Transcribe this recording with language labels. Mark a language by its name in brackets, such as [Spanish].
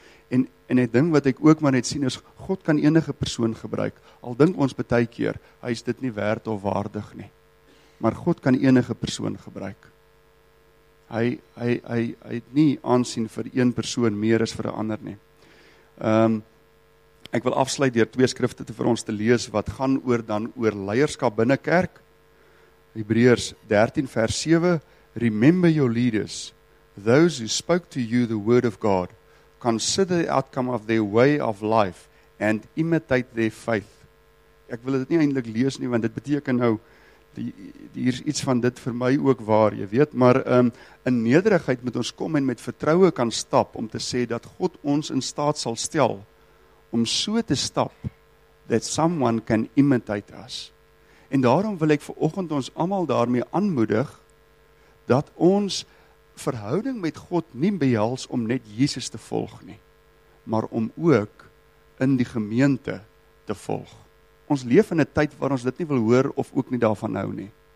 [Afrikaans] En die ding wat ek ook maar net sien is, God kan enige persoon gebruik, al dink ons baie keer, hy is dit nie werd of waardig nie, maar God kan enige persoon gebruik. Hy het nie aansien vir een persoon meer as vir 'n ander nie. Ek wil afsluit deur twee skrifte vir ons te lees, wat gaan oor dan oor leierskap binne kerk. Hebreërs 13 vers 7, [English] remember your leaders, those who spoke to you the word of God, consider the outcome of their way of life and imitate their faith. [Afrikaans] Ek wil dit nie eintlik lees nie, want dit beteken nou, hier is iets van dit vir my ook waar, jy weet, maar in nederigheid moet ons kom en met vertroue kan stap om te sê dat God ons in staat sal stel om so te stap [English] that someone can imitate us. [Afrikaans] En daarom wil ek vanoggend ons allemaal daarmee aanmoedig dat ons verhouding met God nie behels om net Jesus te volg nie, maar om ook in die gemeente te volg. Ons leef in 'n tyd waar ons dit nie wil hoor of ook nie daarvan hou nie.